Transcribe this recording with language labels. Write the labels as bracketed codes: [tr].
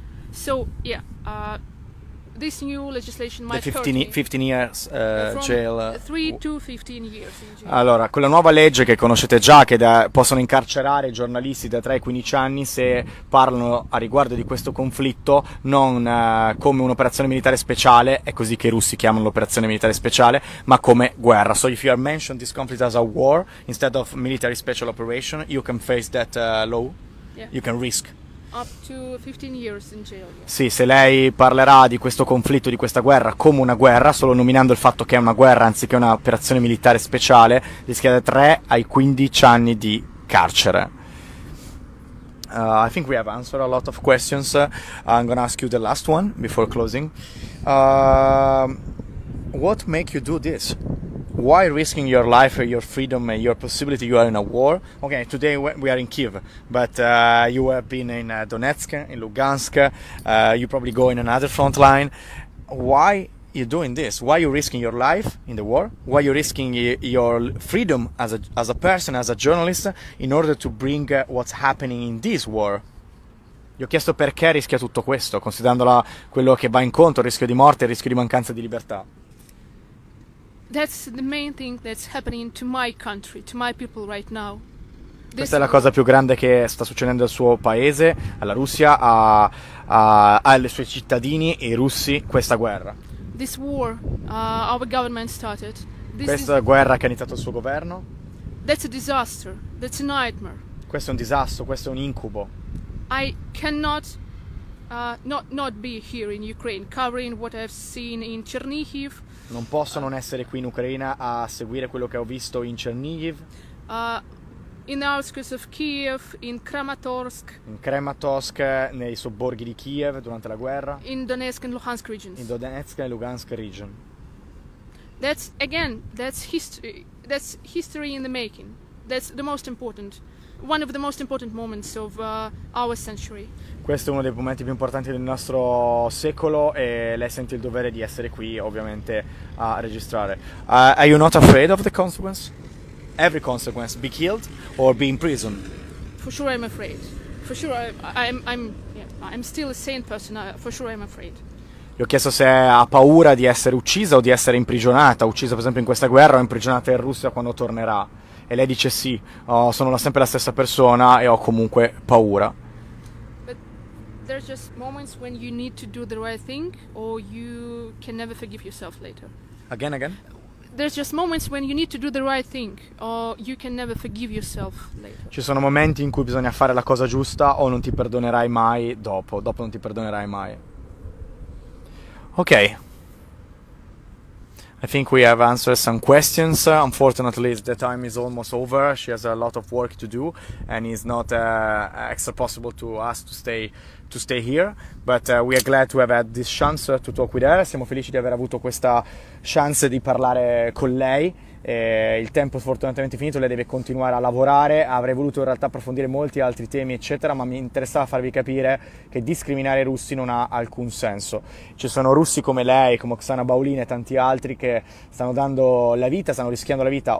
[en] So yeah, this new legislation might hurt me. 15 years jail. 3 to 15 years in jail. [it] Allora, quella nuova legge che conoscete già, che possono incarcerare giornalisti da 3 ai 15 anni se parlano a riguardo di questo conflitto, non come un'operazione militare speciale, è così che i russi chiamano l'operazione militare speciale, ma come guerra. [en] So if you are mentioned this conflict as a war instead of military special operation, you can face that law. Yeah. You can risk. Up to 15 years in jail. [it] Sì, se lei parlerà di questo conflitto, di questa guerra, come una guerra, solo nominando il fatto che è una guerra anziché un'operazione militare speciale, rischia da 3 ai 15 anni di carcere. [en] I think we have answered a lot of questions. I'm gonna ask you the last one before closing. What make you do this? why risking your life, your freedom, your possibility, you are in a war. Okay, today we are in Kyiv, but you have been in Donetsk, in Lugansk, you probably go in another front line. Why you doing this? Why are you risking your life in the war? Why are you risking your freedom as a person, as a journalist, in order to bring what's happening in this war? [it] Gli ho chiesto perché rischia tutto questo, considerandola quello che va incontro, il rischio di morte, il rischio di mancanza di libertà. [en] That's the main thing that's happening to my country, to my people right now. [it] Questa è la cosa più grande che sta succedendo al suo paese, alla Russia, alle sue cittadini, i russi, questa guerra. [en] This war our government started. [it] Questa guerra che ha iniziato il suo governo. [en] That's a disaster, that's a nightmare. [it] Questo è un disastro, questo è un incubo. [en] I cannot not be here in Ukraine covering what I've seen in Chernihiv. [it] Non posso non essere qui in Ucraina a seguire quello che ho visto in Chernihiv. [en] In the outskirts of Kiev, in Kramatorsk. [it] In Kramatorsk, nei sobborghi di Kiev durante la guerra. [en] In Donetsk and Luhansk regions. In Donetsk and Luhansk region. That's history in the making. That's the most important. One of the most important moments of our century. [it] Questo è uno dei momenti più importanti del nostro secolo e lei sente il dovere di essere qui, ovviamente, a registrare. [en] Are you not afraid of the consequence? Every consequence, be killed or be in prison? For sure I'm afraid. For sure I'm still a sane person, for sure I'm afraid. [it] Gli ho chiesto se ha paura di essere uccisa o di essere imprigionata, uccisa per esempio in questa guerra o imprigionata in Russia quando tornerà. E lei dice sì, sono sempre la stessa persona e ho comunque paura. [en] But there's just moments when you need to do the right thing or you can never forgive yourself later. Again? There's just moments when you need to do the right thing or you can never forgive yourself later. [it] Ci sono momenti in cui bisogna fare la cosa giusta o non ti perdonerai mai dopo non ti perdonerai mai. [en] Okay. I think we have answered some questions. Unfortunately, the time is almost over. She has a lot of work to do and it's not extra possible to us to stay here. But we are glad to have had this chance to talk with her. [it] Siamo felici di aver avuto questa chance di parlare con lei. Il tempo sfortunatamente è finito, lei deve continuare a lavorare. Avrei voluto in realtà approfondire molti altri temi, eccetera, ma mi interessava farvi capire che discriminare i russi non ha alcun senso. Ci sono russi come lei, come Oksana Baulina e tanti altri che stanno dando la vita, stanno rischiando la vita.